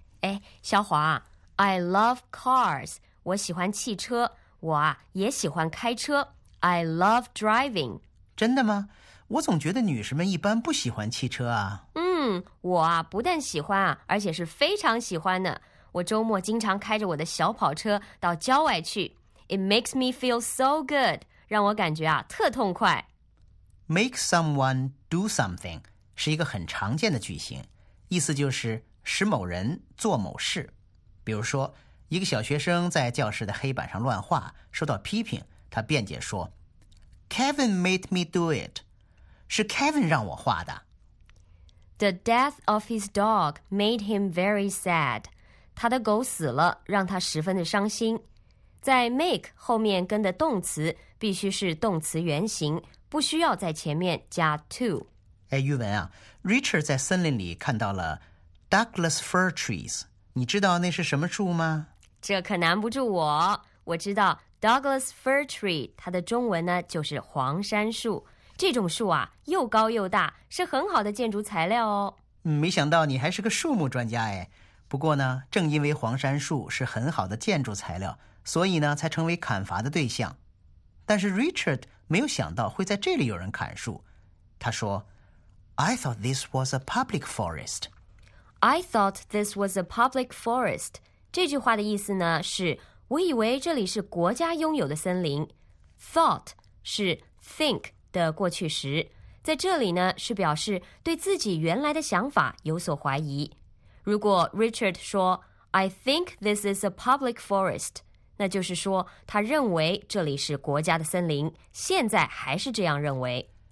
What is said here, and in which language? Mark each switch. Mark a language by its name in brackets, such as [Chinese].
[Chinese] 哎，小华 [English] I love cars， [Chinese] 我喜欢汽车，我也喜欢开车。 [English] I love driving。 [Chinese] 真的吗？我总觉得女士们一般不喜欢汽车啊。我啊不但喜欢啊，而且是非常喜欢的。我周末经常开着我的小跑车到郊外去。 [English] It makes me feel so good， [Chinese] 让我感觉啊特痛快。 [English] Make someone do something [Chinese] 是一个很常见的句型，意思就是使某人做某事。比如说，一个小学生在教室的黑板上乱画，受到批评，他辩解说 ： [English] “Kevin made me do it， [Chinese] 是 Kevin 让我画的。” [English] The death of his dog made him very sad. [Chinese] 他的狗死了，让他十分的伤心。在 make 后面跟的动词必须是动词原形，不需要在前面加 to。哎，玉文啊 ，Richard 在森林里看到了 Douglas fir trees， 你知道那是什么树吗？这可难不住我。我知道 Douglas fir tree， 它的中文呢就是黄杉树。这种树啊又高又大，是很好的建筑材料哦。没想到你还是个树木专家哎。不过呢，正因为黄杉树是很好的建筑材料，所以呢才成为砍伐的对象。但是 Richard 没有想到会在这里有人砍树。他说 [English] I thought this was a public forest. I thought this was a public forest. [Chinese] 这句话的意思呢是我以为这里是国家拥有的森林。 Thought 是 think的过去时，在这里呢是表示对自己原来的想法有所怀疑。如果 Richard 说 [English] I think this is a public forest， [Chinese] 那就是说他认为这里是国家的森林，现在还是这样认为。